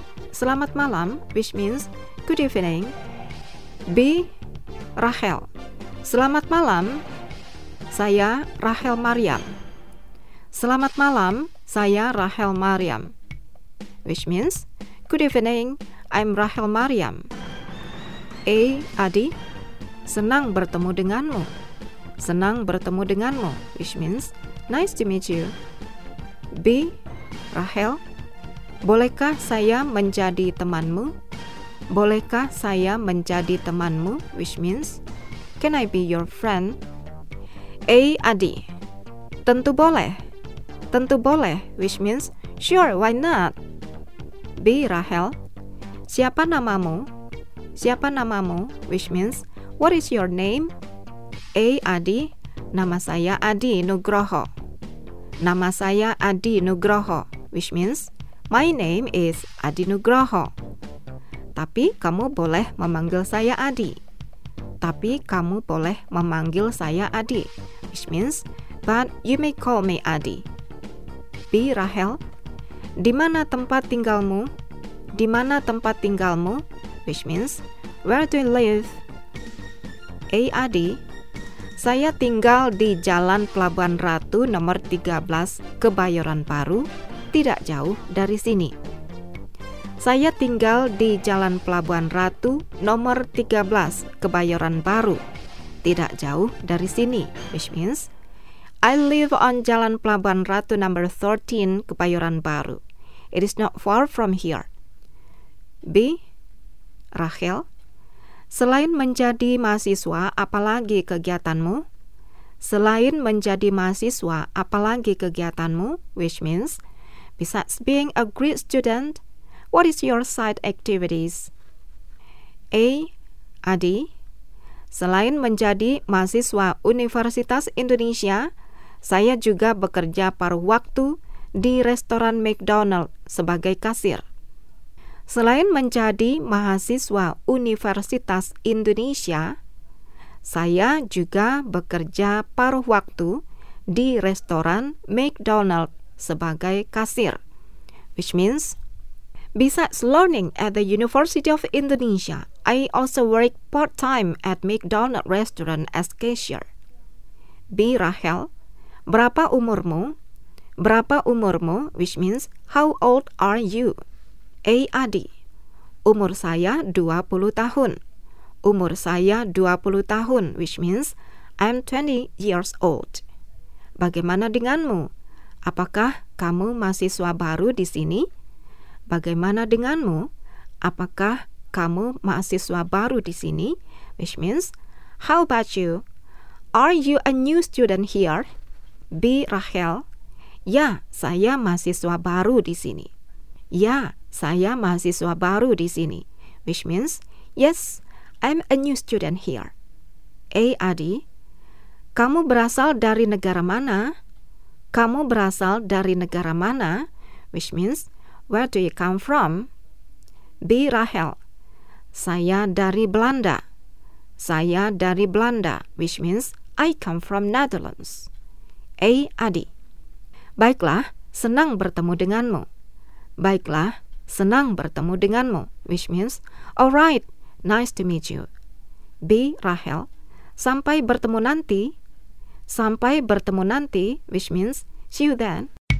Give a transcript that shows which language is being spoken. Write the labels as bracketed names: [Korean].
[Indonesian] Selamat malam, [English] which means good evening. [Indonesian] B, Rahel. Selamat malam. Saya Rahel Maryam. Selamat malam. Saya Rahel Maryam. [English] Which means, good evening, I'm Rahel Maryam. [Indonesian] A, Adi, senang bertemu denganmu. Senang bertemu denganmu, [English] which means, nice to meet you. [Indonesian] B, Rahel, bolehkah saya menjadi temanmu? Bolehkah saya menjadi temanmu, [English] which means, can I be your friend? [Indonesian] A, Adi, tentu boleh. Tentu boleh, [English] which means, sure, why not? B, Rahel, [Indonesian] siapa namamu? Siapa namamu, [English] which means, what is your name? [Indonesian] A, Adi, nama saya Adi Nugroho. Nama saya Adi Nugroho, [English] which means, my name is Adi Nugroho. [Indonesian] Tapi kamu boleh memanggil saya Adi. Tapi kamu boleh memanggil saya Adi, [English] which means, but you may call me Adi. [Indonesian] B, Rahel, di mana tempat tinggalmu? Di mana tempat tinggalmu? [English] Which means, where do you live? [Indonesian] A, Adi, saya tinggal di Jalan Pelabuhan Ratu nomor 13 Kebayoran Baru, tidak jauh dari sini. Saya tinggal di Jalan Pelabuhan Ratu nomor 13 Kebayoran Baru, tidak jauh dari sini. [English] Which means, I live on Jalan Pelabuhan Ratu nomor 13 Kebayoran Baru. It is not far from here. B, Rahel, [Indonesian] selain menjadi mahasiswa, apalagi kegiatanmu? Selain menjadi mahasiswa, apalagi kegiatanmu? [English] Which means, besides being a great student, what is your side activities? [Indonesian] A, Adi, selain menjadi mahasiswa Universitas Indonesia, saya juga bekerja paruh waktu di restoran McDonald's sebagai kasir. Selain menjadi mahasiswa Universitas Indonesia, saya juga bekerja paruh waktu di restoran McDonald's sebagai kasir. [English] Which means, besides learning at the University of Indonesia, I also work part-time at McDonald's restaurant as cashier. B, Rahel, [Indonesian] berapa umurmu? Berapa umurmu, [English] which means, how old are you? [Indonesian] A, Adi, umur saya 20 tahun. Umur saya 20 tahun, [English] which means, I'm 20 years old. [Indonesian] Bagaimana denganmu? Apakah kamu mahasiswa baru di sini? Bagaimana denganmu? Apakah kamu mahasiswa baru di sini? [English] Which means, how about you? Are you a new student here? [Indonesian] B, Rahel, ya, saya mahasiswa baru di sini. Ya, saya mahasiswa baru di sini. [English] Which means, yes, I'm a new student here. [Indonesian] A, Adi, kamu berasal dari negara mana? Kamu berasal dari negara mana? [English] Which means, where do you come from? [Indonesian] B, Rahel, saya dari Belanda. Saya dari Belanda. [English] Which means, I come from Netherlands. [Indonesian] A, Adi, baiklah, senang bertemu denganmu. Baiklah, senang bertemu denganmu, [English] which means, alright, nice to meet you. [Indonesian] B, Rahel, sampai bertemu nanti. Sampai bertemu nanti, [English] which means, see you then.